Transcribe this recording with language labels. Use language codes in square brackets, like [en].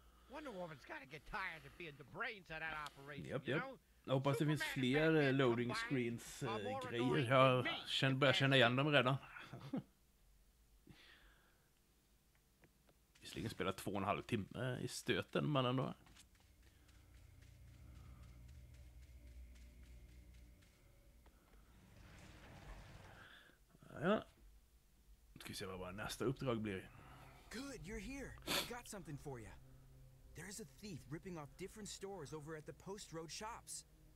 [en] Wonder Woman's gotta get tired of being the brains of that operation. Yep, yep. [sv] Jag hoppas det finns fler loading screens grejer. Jag börjar känna igen dem redan. Visserligen spelar 2,5 timmar i stöten, men ändå. Ja. Ska vi se vad vår nästa uppdrag blir. [en] Good, you're here. I got something for you. There is a thief ripping off different stores over at the Post Road shops.